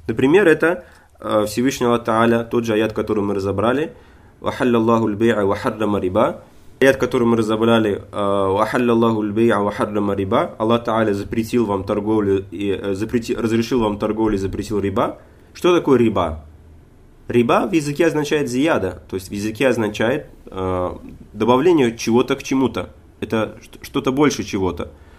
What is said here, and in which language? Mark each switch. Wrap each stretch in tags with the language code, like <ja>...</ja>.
<ru>Например, это Всевышний Аллах Та'аля, тот же аят, который мы разобрали,</ru> <ar>وَحَلَّ اللَّهُ الْبَيْعَ وَحَرَّمَ رِبَا.</ar> <ru>Аят, который мы разобрали,</ru> <ar>وَحَلَّ اللَّهُ الْبَيْعَ وَحَرَّمَ رِبَا.</ar> <ru>Аллах Та'аля запретил вам торговлю и разрешил вам торговлю и запретил риба. Что такое риба? Риба в языке означает зияда, то есть в языке означает добавление чего-то к чему-то. Это что-то больше чего-то.</ru>